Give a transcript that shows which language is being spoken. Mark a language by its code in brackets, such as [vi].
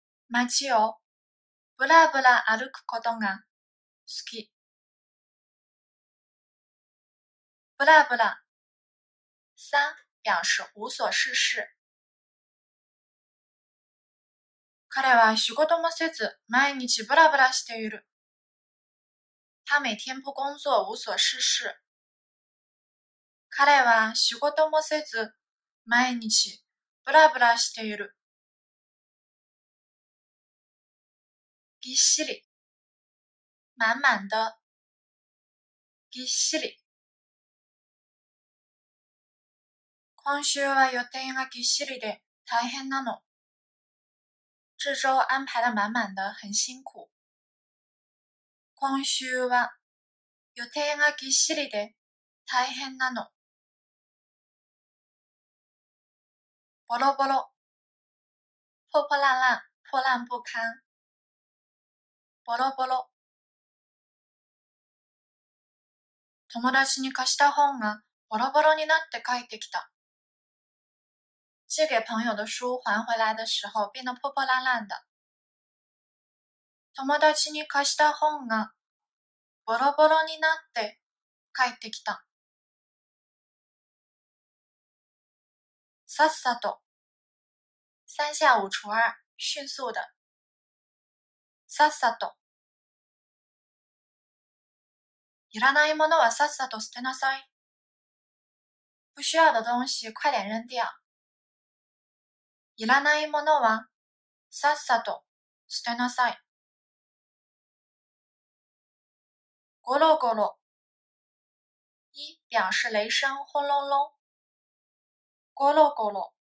[ja] 街をブラブラ歩くことが好き。 [zh] ブラブラ。三、表示无所事事。 [ja] 彼は仕事もせず、毎日ブラブラしている。 [zh] 他每天不工作、无所事事。 [ja] 彼は仕事もせず、毎日ブラブラしている。ぎっしり、満満的。ぎっしり。今週は予定がぎっしりで大変なの。 [zh] 这周安排的满满的，很辛苦。 [ja] 今週は予定がぎっしりで大変なの。 [zh] ボロボロ、破破烂烂，破烂不堪。ボロボロ。 [ja] 友達に貸した本がボロボロになって帰ってきた。 [zh] 借给朋友的书还回来的时候变得破破烂烂的。 [ja] 友達に貸した本がボロボロになって帰ってきた。 [zh] さっさと。三下五除二、迅速的。さっさと。 [ja] いらないものはさっさと捨てなさい。 [zh] 不需要的东西快点扔掉。 [ja] いらないものはさっさと捨てなさい。 [zh] ゴロゴロ。一、表示雷声轰隆隆。ゴロゴロ。